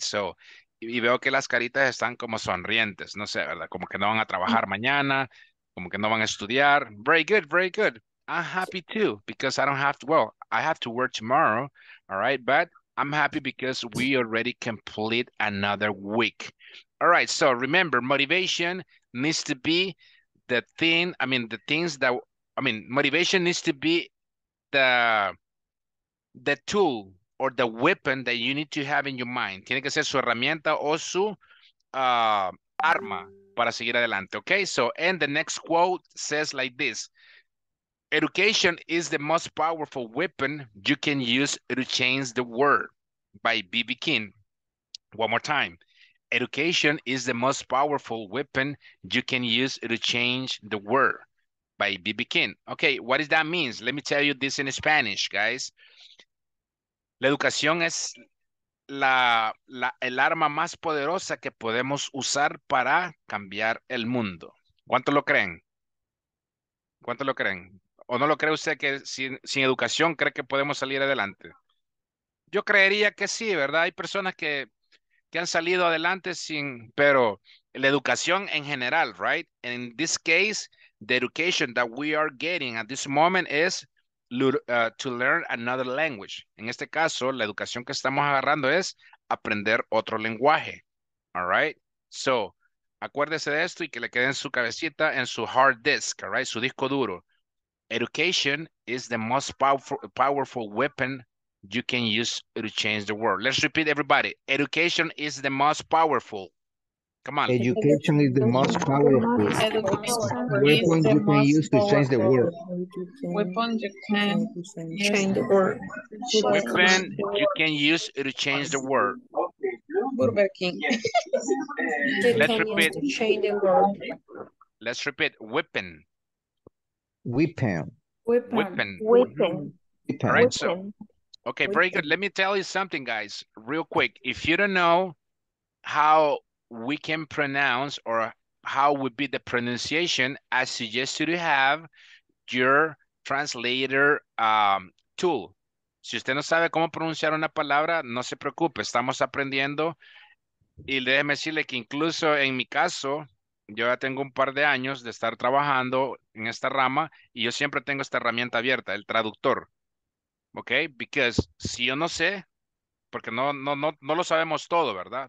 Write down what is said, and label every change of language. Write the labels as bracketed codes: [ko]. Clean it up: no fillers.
[es] So, y veo que las caritas están como sonrientes. No sé, ¿verdad? Como que no van a trabajar mañana, como que no van a estudiar. [en] Very good, very good. I'm happy too, because I don't have to, well, I have to work tomorrow. All right, but I'm happy because we already complete another week. All right, so remember, motivation needs to be the thing, I mean, the things that, I mean, motivation needs to be the tool or the weapon that you need to have in your mind. [es] Tiene que ser su herramienta o su arma para seguir adelante, okay? [en] So, and the next quote says like this, education is the most powerful weapon you can use to change the world. By B.B. King. One more time. Education is the most powerful weapon you can use to change the world. By B.B. King. Okay, what does that mean? Let me tell you this in Spanish, guys. [es] La educación es el arma más poderosa que podemos usar para cambiar el mundo. ¿Cuánto lo creen? ¿Cuánto lo creen? ¿O no lo cree usted que sin educación cree que podemos salir adelante? Yo creería que sí, ¿verdad? Hay personas que han salido adelante sin, pero la educación en general, right? [en] In this case, the education that we are getting at this moment is to learn another language. [es] En este caso, la educación que estamos agarrando es aprender otro lenguaje. All right? So, acuérdese de esto y que le quede en su cabecita, en su hard disk, all right? Su disco duro. [en] Education is the most powerful weapon you can use to change the world. Let's repeat, everybody. Education is the most powerful. Come on. Education is the most powerful. Weapon you can use to change the world. Weapon you can change the world. Weapon you can use to change the world. Burger King. Let's repeat. Change the world. Let's repeat. Weapon. Weapon. Weapon. Weapon. All right, so. Okay, very good. Let me tell you something, guys, real quick. If you don't know how we can pronounce or how would be the pronunciation, I suggest you to have your translator tool. [es] Si usted no sabe cómo pronunciar una palabra, no se preocupe. Estamos aprendiendo. Y déjeme decirle que incluso en mi caso, yo ya tengo un par de años de estar trabajando en esta rama y yo siempre tengo esta herramienta abierta, el traductor. Okay, because si yo no sé, porque no lo sabemos todo, ¿verdad?